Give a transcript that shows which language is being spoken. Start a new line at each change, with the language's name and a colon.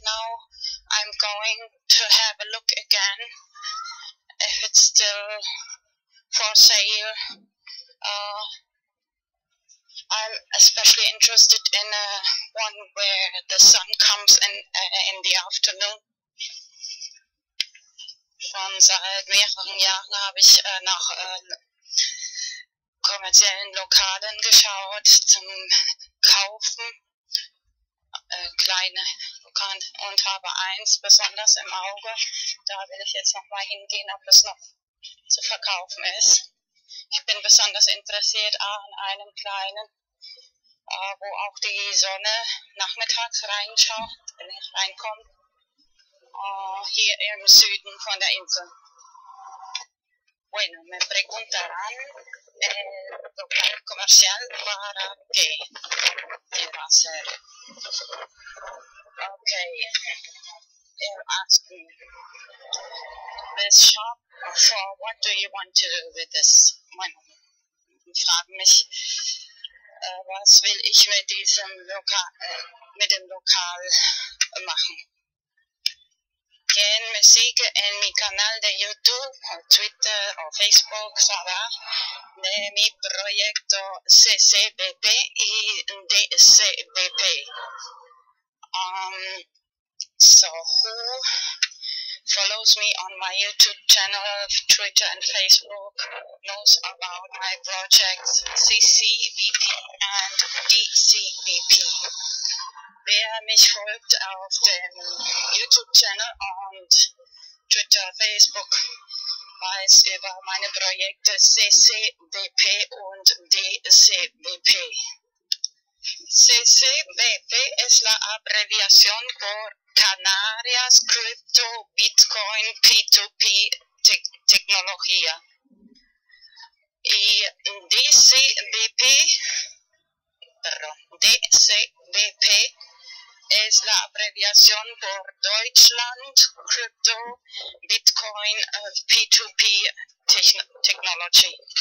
English: Now I'm going to have a look again if it's still for sale. I'm especially interested in one where the sun comes in the afternoon.
German: Schon seit mehreren Jahren habe ich nach kommerziellen Lokalen geschaut zum Kaufen, kleine Lokale, und habe eins besonders im Auge. Da will ich jetzt nochmal hingehen, ob es noch zu verkaufen ist. Ich bin besonders interessiert an einem kleinen, wo auch die Sonne nachmittags reinschaut, wenn ich reinkomme, hier im Süden von der Insel.
Spanish: Bueno, me preguntarán el local comercial para qué quiero hacer.
English: Okay, they're asking this shop for what do you want to do with this?
German: Bueno, fragen mich, was will ich mit diesem Lokal machen?
Spanish: Quien me sigue en mi canal de YouTube, o Twitter o Facebook, sabrá de mi proyecto CCBP y DCBP.
English: So, who follows me on my YouTube channel, Twitter and Facebook, knows about my projects CCBP and DCBP.
German: Wer mich folgt auf dem YouTube Channel und Twitter, Facebook, weiß über meine Projekte CCBP und DCBP.
Spanish: CCBP ist la Abbreviation por Canarias Crypto Bitcoin P2P Tecnología. Y DCBP, perdón, DCBP es la abreviación por Deutschland Crypto Bitcoin P2P Technology.